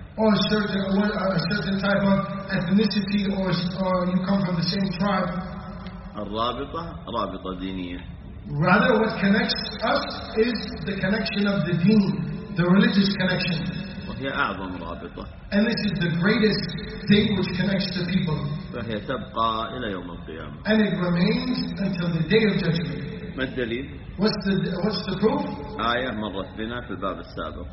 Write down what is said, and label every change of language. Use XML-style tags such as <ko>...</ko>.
<en>Or a certain type of ethnicity, or you come from the same tribe.</en> <ar>الرابطة رابطة دينية.</ar> <en>Rather, what connects us is the connection of the deen, the religious connection.</en> <ar>وهي أعظم رابطة.</ar> <en>And this is the greatest thing which connects the people.</en> <ar>وهي تبقى إلى يوم القيامة.</ar> <en>And it remains until the day of judgment.</en> <ar>ما الدليل؟</ar> <en>What's the proof?</en> <ar>آية مرت بنا في الباب السابق.</ar>